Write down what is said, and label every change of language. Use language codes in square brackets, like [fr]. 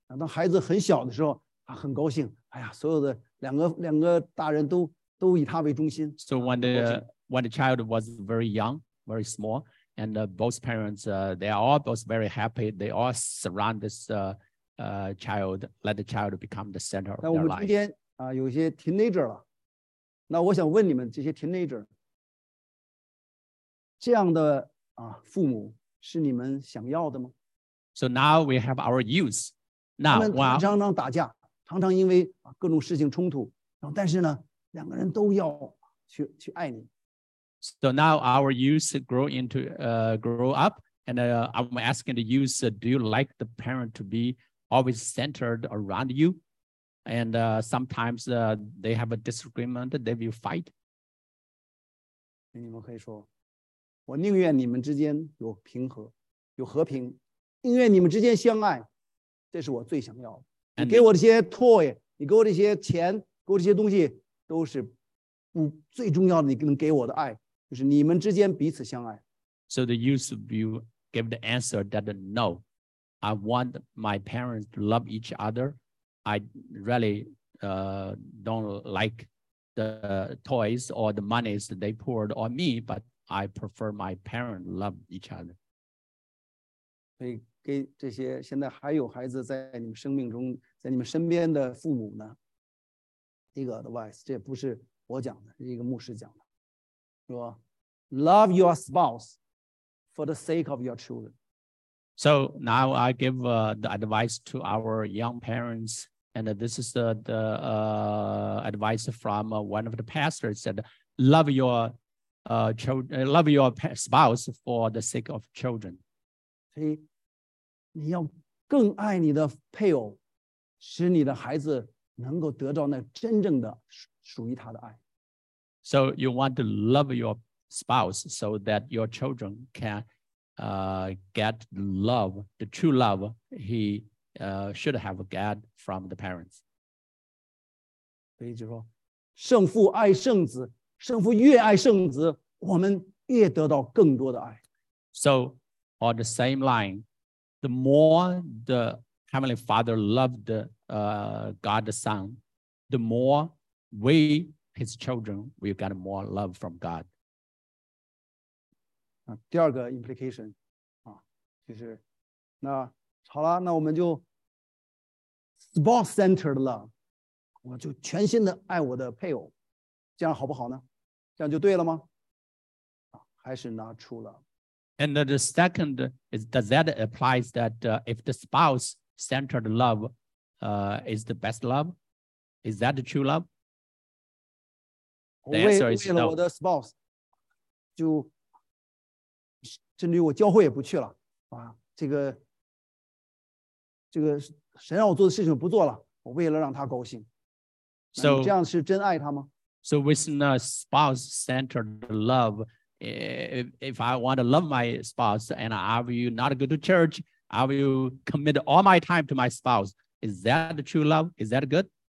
[zh] 当孩子很小的时候，啊，很高兴。哎呀，所有的两个大人都以他为中心。 [en] So when the child was very young, very small, and both parents, they are all both very happy. They all surround this child, let the child become the center of their life. [zh] 那我们中间啊，有些 teenager 了。那我想问你们这些 teenager， 这样的啊父母是你们想要的吗？ [en] So now we have our youth. [zh] 他们常常打架，常常因为各种事情冲突，但是呢，两个人都要去爱你。 [en] So now our youth grow up, and I'm asking the youth, do you like the parent to be always centered around you? And sometimes they have a disagreement, they will fight. [zh] 你们可以说，我宁愿你们之间有平和，有和平，宁愿你们之间相爱。这是我最想要的。你给我这些 toy， 你给我这些钱，给我这些东西，都是最重要的。你能给我的爱，就是你们之间彼此相爱。 [en] So the youth will give the answer that no, I want my parents to love each other. I really don't like the toys or the monies that they poured on me, but I prefer my parents love each other. [zh] 对。给这些现在还有孩子在你们生命中，在你们身边的父母呢，一个 advice， 这也不是我讲的，是一个牧师讲的，说 ， [en] love your spouse for the sake of your children。 So now I give the advice to our young parents, and this is the advice from one of the pastors said, love your spouse for the sake of children。 [zh] 所以。你要更爱你的配偶，使你的孩子能够得到那真正的属于他的爱。 [en] So you want to love your spouse so that your children can get love, the true love he should have got from the parents. [zh] 所以就说，圣父爱圣子，圣父越爱圣子，我们越得到更多的爱。 [en] So on the same line,The more the Heavenly Father loved God the Son, the more we, His children, will get more love from God. [zh] 第二个 implication, 就是那好了，那我们就 spouse-centered love, 我就全心的爱我的配偶，这样好不好呢？这样就对了吗？还是 [en] not true love? And the second is, does that apply that if the spouse-centered love is the best love? Is that the true love? The answer is no. [zh] 为了我的 spouse, 就甚至于我教会也不去了。这个神让我做的事情不做了。我为了让他高兴。 [en] So, [zh] 这样是真爱他吗？ [en] So with the spouse-centered love,If I want to love my spouse and I will not go to church, I will commit all my time to my spouse. Is that the true love? Is that good?